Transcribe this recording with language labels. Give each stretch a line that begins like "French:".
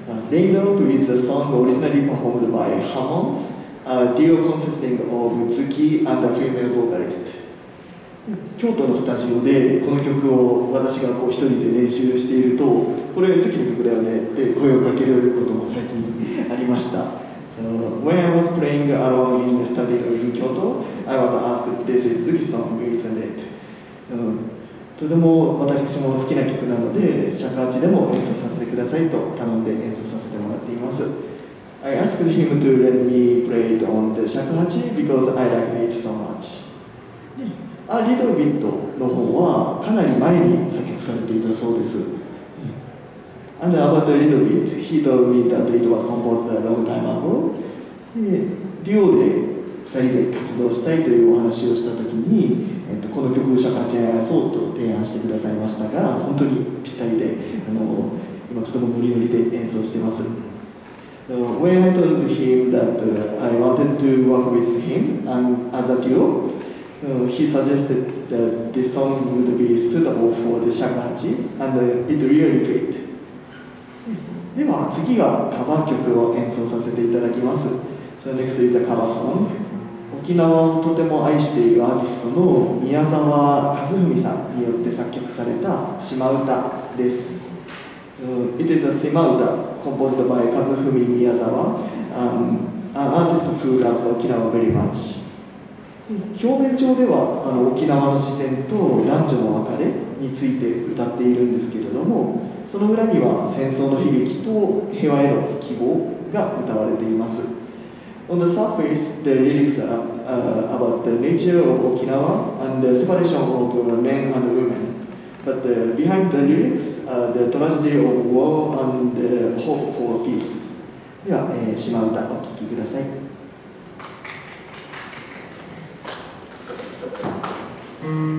English: レインドロップ is a song originally performed by Hammonds, a duo consisting of Tsuki and a female vocalist.
Japanese: 京都のスタジオでこの曲を私がこう一人で練習していると、これ Tsuki の曲だよねって声をかけられることも最近ありました。
English: When I was playing along in the study room in Kyoto, I was asked, this is Tsuki's song, isn't it?
Japanese: とても私も好きな曲なので、尺八でも演奏させてくださいと頼んで演奏させてもらっています。
English: I asked him to let me play it on the 尺八 because I like it so much.
Japanese: A Little Bit の方はかなり前に作曲されていたそうです。
English: And about a little bit, he told me that it was composed a long time ago.
Japanese: デュオで2人で活動したいというお話をしたときに、この曲を尺八演奏と提案してくださいましたが、本当にぴったりで、今とてもノリノリで演奏しています。
English: When I told him that I wanted to work with him and as a duo, he suggested that this song would be suitable for the 尺八 and it really fit.
Japanese: では次がカバー曲を演奏させていただきます。
English: So next is a cover song.
Japanese: 沖縄をとても愛しているアーティストの宮沢和文さんによって作曲された島唄です。
English: It is a 島唄 composed by 和文宮沢、an artist who loves 沖縄 very much。
Japanese: 表面上では沖縄の自然と男女の別れについて歌っているんですけれども、その裏には戦争の悲劇と平和への希望が歌われています。
English: On the surface, the lyrics are about the nature of Okinawa and the separation of men and women. But behind the lyrics, the tragedy of war and the hope for peace.
Japanese: では、島唄をお聴きください。